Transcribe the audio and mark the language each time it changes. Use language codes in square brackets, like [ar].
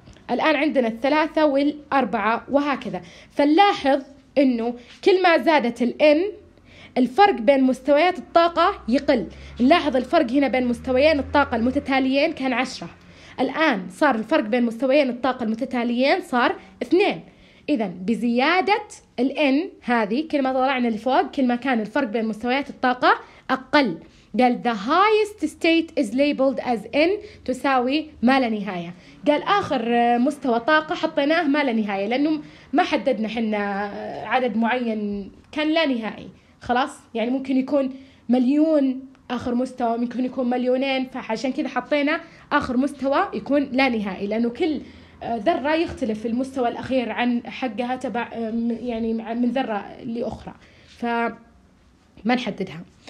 [ar] الآن عندنا 3 والأربعة وهكذا. فنلاحظ أنه كل ما زادت الN الفرق بين مستويات الطاقة يقل. نلاحظ الفرق هنا بين مستويين الطاقة المتتاليين كان 10، الآن صار الفرق بين مستويين الطاقة المتتاليين صار 2. إذن بزيادة الN هذه كل ما طلعنا لفوق كل ما كان الفرق بين مستويات الطاقة أقل. قال [en] the highest state is labeled as N [ar] تساوي ما لا نهاية. قال آخر مستوى طاقة حطيناه ما لا نهاية لأنه ما حددنا حنا عدد معين كان لا نهائي. خلاص يعني ممكن يكون مليون آخر مستوى، ممكن يكون مليونين، فعشان كذا حطينا آخر مستوى يكون لا نهائي لأنه كل ذرة يختلف المستوى الأخير عن حقها تبع يعني من ذرة لأخرى فما نحددها.